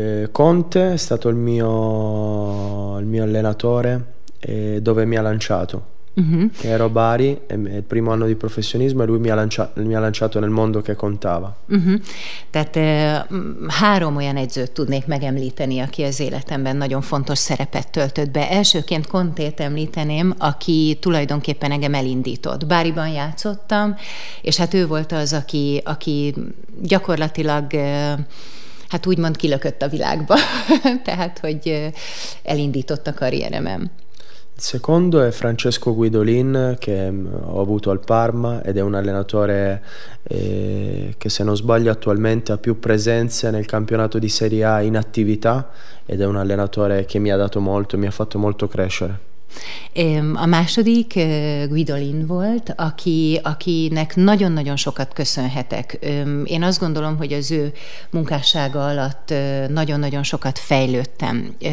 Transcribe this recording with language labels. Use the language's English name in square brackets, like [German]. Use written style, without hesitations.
[Italian] Conte è stato il mio allenatore dove mi ha lanciato. Che ero a Bari, il primo anno di professionismo, e lui mi ha lanciato nel mondo che contava. [Hungarian] Tehát három olyan edzőt tudnék megemlíteni, aki az életemben nagyon fontos szerepet töltött be. Elsőként Contét említeném, aki tulajdonképpen engem elindított. Báriban játszottam, és hát ő volt az, aki gyakorlatilag... hát úgymond kilökött a világba, tehát hogy elindított a karrieremem. [Italian] Il secondo è Francesco Guidolin, che ho avuto al Parma ed è un allenatore che, se non sbaglio, attualmente ha più presenze nel campionato di Serie A in attività ed è un allenatore che mi ha dato molto, mi ha fatto molto crescere. [Hungarian] A második Guidolin volt, akinek nagyon-nagyon sokat köszönhetek. Én azt gondolom, hogy az ő munkássága alatt nagyon-nagyon sokat fejlődtem.